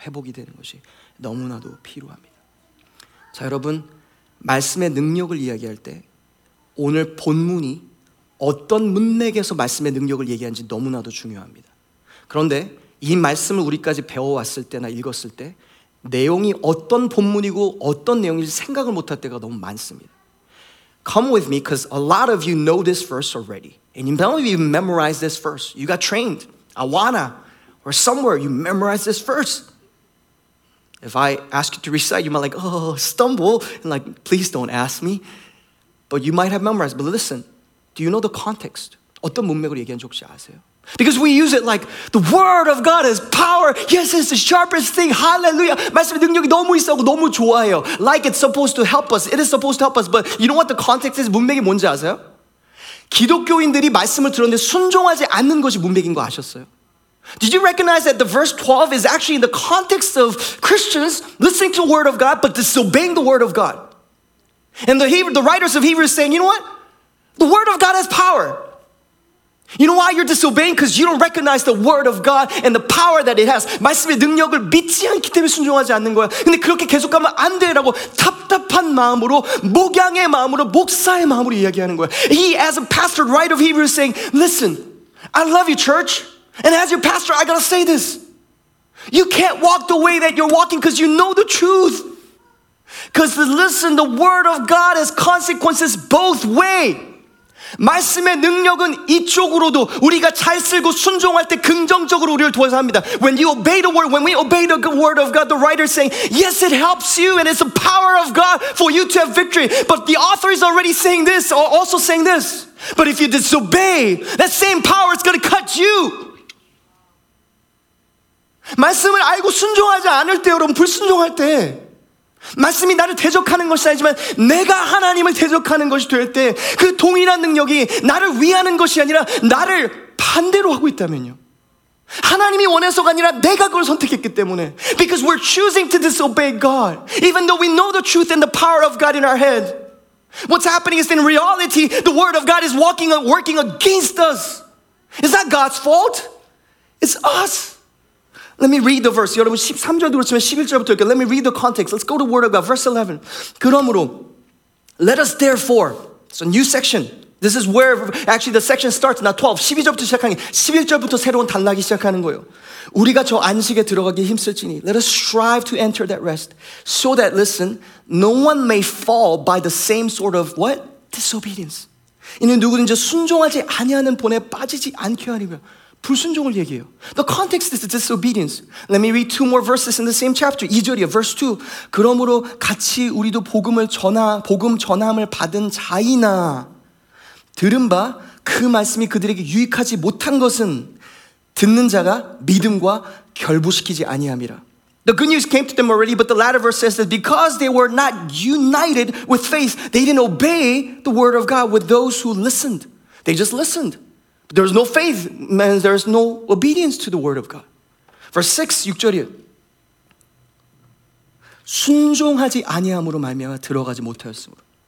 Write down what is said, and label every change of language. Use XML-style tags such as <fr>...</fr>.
<ko>회복이 되는 것이 너무나도 필요합니다. 자, 여러분, 말씀의 능력을 이야기할 때 오늘 본문이 어떤 문맥에서 말씀의 능력을 얘기한지 너무나도 중요합니다. 그런데 이 말씀을 우리까지 배워왔을 때나 읽었을 때 내용이 어떤 본문이고 어떤 내용인지 생각을 못할 때가 너무 많습니다.</ko> <en>Come with me because a lot of you know this verse already. And you don't even memorize this verse. You got trained. Awana. Or somewhere you memorize this verse. If I ask you to recite, you might like, oh, stumble. And like, please don't ask me. But you might have memorized. But listen, do you know the context?</en> <ko>어떤 문맥으로 얘기한 적 혹시 아세요?</ko> <en>Because we use it like the word of God is power. Yes, it's the sharpest thing. Hallelujah.</en> <ko>말씀의 능력이 너무 있어서 너무 좋아요.</ko> <en>Like it's supposed to help us. It is supposed to help us. But you know what the context is?</en> <ko>문맥이 뭔지 아세요? 기독교인들이 말씀을 들었는데 순종하지 않는 것이 문맥인 거 아셨어요?</ko> <en>Did you recognize that the verse 12 is actually in the context of Christians listening to the word of God but disobeying the word of God? And the writers of Hebrews saying, you know what? The word of God has power. You know why you're disobeying? Because you don't recognize the word of God and the power that it has.</en> <ko>말씀의 능력을 믿지 않기 때문에 순종하지 않는 거야. 근데 그렇게 계속 가면 안 되라고 답답한 마음으로, 목양의 마음으로, 목사의 마음으로 이야기하는 거야.</ko> <en>He, as a pastor, writer of Hebrews, saying, listen, I love you, church. And as your pastor, I gotta say this. You can't walk the way that you're walking because you know the truth. Because listen, the word of God has consequences both ways.</en> <ko>말씀의 능력은 이쪽으로도 우리가 잘 쓰고 순종할 때 긍정적으로 우리를 도와서 합니다.</ko> <en>When you obey the word, when we obey the word of God, the writer is saying, yes, it helps you and it's the power of God for you to have victory. But the author is already saying this, or also saying this. But if you disobey, that same power is going to cut you.</en> <ko>말씀을 알고 순종하지 않을 때, 여러분, 불순종할 때 말씀이 나를 대적하는 것이 아니지만 내가 하나님을 대적하는 것이 될 때 그 동일한 능력이 나를 위하는 것이 아니라 나를 반대로 하고 있다면요. 하나님이 원해서가 아니라 내가 그걸 선택했기 때문에</ko> <en>Because we're choosing to disobey God even though we know the truth and the power of God in our head. What's happening is in reality the word of God is walking and working against us. Is that God's fault? It's us. Let me read the verse.</en> <ko>여러분 13절도 그렇지만 11절부터 읽어요.</ko> <en>Let me read the context. Let's go to word of God. Verse 11.</en> <ko>그러므로,</ko> <en>let us therefore. It's a new section. This is where actually the section starts. Not 12.</en> <ko>12절부터 시작하는 게. 11절부터 새로운 단락이 시작하는 거예요. 우리가 저 안식에 들어가기 힘쓸지니.</ko> <en>Let us strive to enter that rest. So that, listen, no one may fall by the same sort of what? Disobedience.</en> <ko>이는 누구든지 순종하지 아니하는 본에 빠지지 않게 하려면. 불순종을 얘기해요.</ko> <en>The context is disobedience. Let me read two more verses in the same chapter.</en> <ko>2절이요.</ko> <en>Verse 2.</en> <ko>그러므로 같이 우리도 복음 전함을 받은 자이나 들은 바 그 말씀이 그들에게 유익하지 못한 것은 듣는 자가 믿음과 결부시키지 아니함이라.</ko> <en>The good news came to them already, but the latter verse says that because they were not united with faith, they didn't obey the word of God with those who listened. They just listened. There is no faith, man. There is no obedience to the word of God. Verse 6,</en> <ko>6절이요. 순종하지 아니함으로 말미암아 들어가지 못하였으므로.</ko>